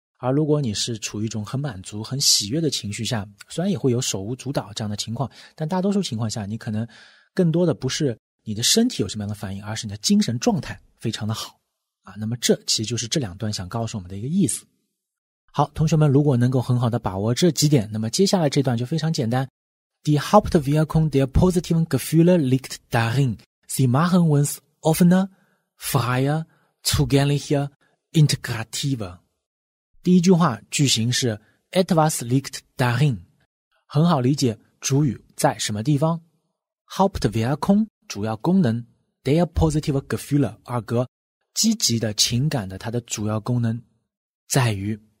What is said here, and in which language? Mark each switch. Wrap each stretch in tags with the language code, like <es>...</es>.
<zh>而如果你是处于一种很满足很喜悦的情绪下，虽然也会有手舞足蹈这样的情况，但大多数情况下你可能更多的不是你的身体有什么样的反应，而是你的精神状态非常的好啊。那么这其实就是这两段想告诉我们的一个意思。好，同学们如果能够很好的把握这几点，那么接下来这段就非常简单。</zh> <de>Die Hauptwirkung der positiven Gefühle liegt darin, sie machen uns offener, freier, zugänglicher, integrativer。</de> <zh>第一句话句型是</zh> <de>etwas liegt darin，</de> <zh>很好理解，主语在什么地方。 Hauptwirkung 主要功能，</zh> <de>der positive Gefühle</de> <zh>二格积极的情感的它的主要功能在于。</zh>